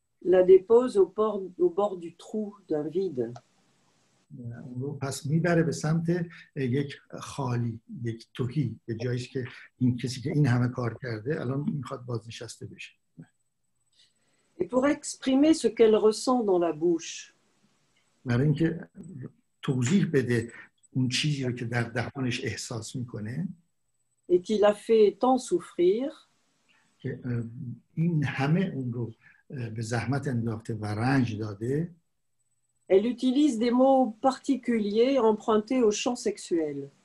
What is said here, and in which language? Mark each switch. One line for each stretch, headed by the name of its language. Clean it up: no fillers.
French: La dépose au bord du trou d'un vide.
Persian: پس میبره به سمت یک خالی یک توهی به جایی که این کسی که این همه کار کرده الان میخواد بازنشسته بشه.
French: Et pour exprimer ce qu'elle ressent dans la bouche.
Persian: برای اینکه توضیح بده اون چیزی رو که در دهانش احساس میکنه.
French: Et qu'il a fait tant souffrir.
Persian: که این همه اون رو به زحمت انداخته و رنج داده.
French: Elle utilise des mots particuliers empruntés au champ sexuel.